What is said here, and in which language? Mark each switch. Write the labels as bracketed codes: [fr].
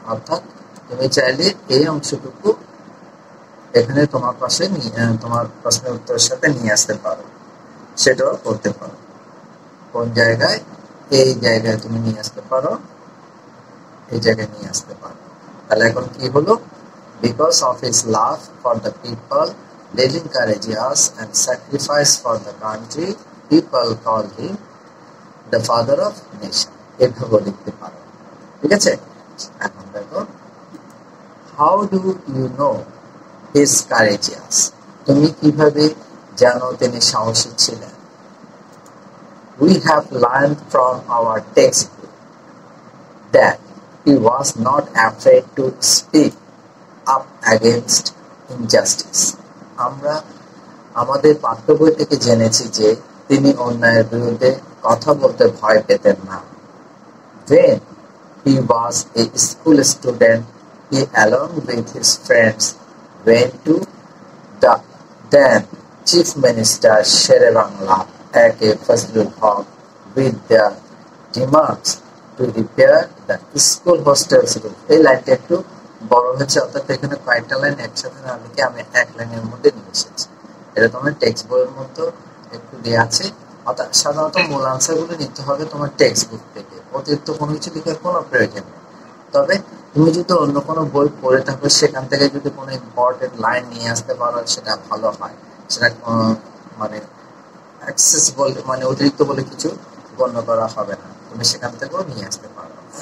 [bn] অর্থাৎ তুমি চাইলে এই অংশটুকু এখানে তোমার পাশে তোমার প্রশ্নের উত্তরের সাথে নিয়ে আসতে পারো, সেটাও করতে পারো। কোন জায়গায়? এই জায়গায় তুমি নিয়ে আসতে পারো, এই জায়গায় নিয়ে আসতে পারো। তাহলে এখন কি হলো? [en] Because of his love for the people, living courageous and sacrifice for the country, people call him the father of nation. [bn] এভাবে লিখতে পারো, ঠিক আছে? এখন দেখো, [en] how do you know his courageous? [bn] তুমি কিভাবে জানো তিনি সাহসী ছিলেন? [en] We have learned from our textbook that he was not afraid to speak up against injustice. [bn] আমরা আমাদের পাঠ্যবই থেকে জেনেছি যে তিনি অন্যায়ের বিরুদ্ধে কথা বলতে ভয় পেতেন না। [en] When he was a school student, he along with his friends went to the then chief minister Shere Bangla, A.K. Fazlul Haq, with the demands to repair the school hostel's roof. They liked to [bn] বড় হচ্ছে, অর্থাৎ এখানে কয়েকটা line একসাথে না লিখে আমি এক লাইনের মধ্যে নিয়ে এসেছি। এটা তোমার টেক্সট বইয়ের মধ্যে একটু দেওয়া আছে। অর্থাৎ সাধারণত মূল আনসারগুলো নিতে হবে তোমার টেক্সট বুক থেকে, অতিরিক্ত কোনো কিছু লিখে কোনো প্রয়োজন নেই। তবে তুমি যদি অন্য কোনো বই পড়ে থাকো, সেখান থেকে যদি কোনো ইম্পর্টেন্ট লাইন নিয়ে আসতে পারো সেটা ভালো হয়, সেটা মানে অ্যাক্সেস বলে মানে অতিরিক্ত বলে কিছু গণ্য করা হবে না, তুমি সেখান থেকেও নিয়ে আসতে পারো।